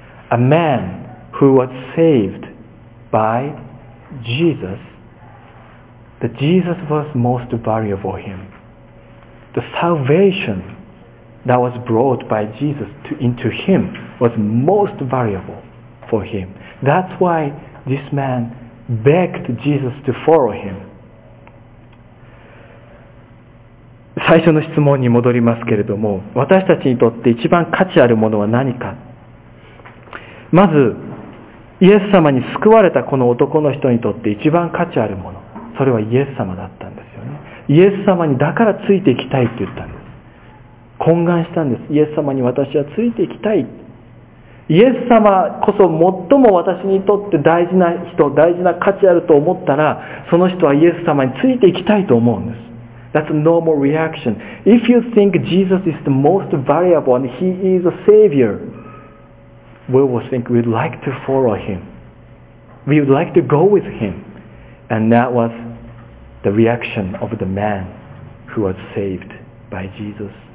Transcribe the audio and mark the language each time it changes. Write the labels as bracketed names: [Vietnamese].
[English] A man who was saved by Jesus, that Jesus was most valuable him. The salvation that was brought by Jesus into him was most valuable for him. That's why this man begged Jesus to follow him. [Japanese] 最初の質問に戻りますけれども、私たちにとって一番価値あるものは何か。まずイエス様に救われたこの男の人にとって一番価値あるもの、それはイエス様だったんですよね。イエス様にだからついていきたいって言ったんです。懇願したんです。イエス様に私はついていきたい。イエス様こそ最も私にとって大事な人、大事な価値あると思ったら、その人はイエス様についていきたいと思うんです。 [English] That's a normal reaction. If you think Jesus is the most valuable and he is a savior, we will think we'd like to follow him. We would like to go with him. And that was the reaction of the man who was saved by Jesus.